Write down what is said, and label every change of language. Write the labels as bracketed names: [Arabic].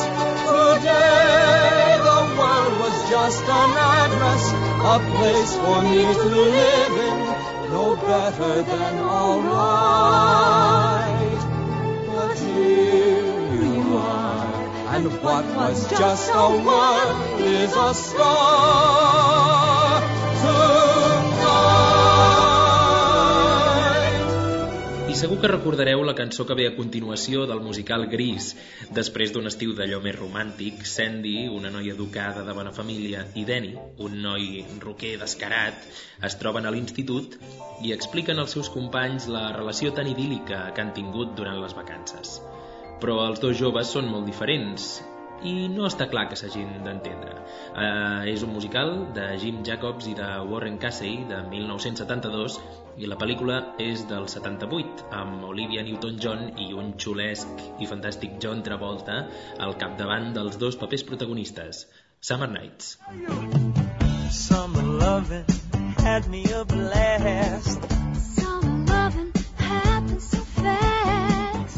[English] Today the world was just an address, a place for me to live in, no better than all right. But here you are, and what was just a word is a star. [Catalan] Segur que recordareu la cançó que ve a continuació del musical Gris. Després d'un estiu d'allò més romàntic, Sandy, una noia educada de bona família, i Danny, un noi roquer descarat, es troben a l'institut i expliquen als seus companys la relació tan idíl·lica que han tingut durant les vacances. Però els dos joves són molt diferents i no està clar que s'hagin d'entendre. És un musical de Jim Jacobs i de Warren Casey de 1972 i la pel·lícula és del 78 amb Olivia Newton-John i un xulesc i fantàstic John Travolta al capdavant dels dos papers protagonistes. [English] Summer Nights. Summer lovin' had me a blast. Summer lovin' happened so fast.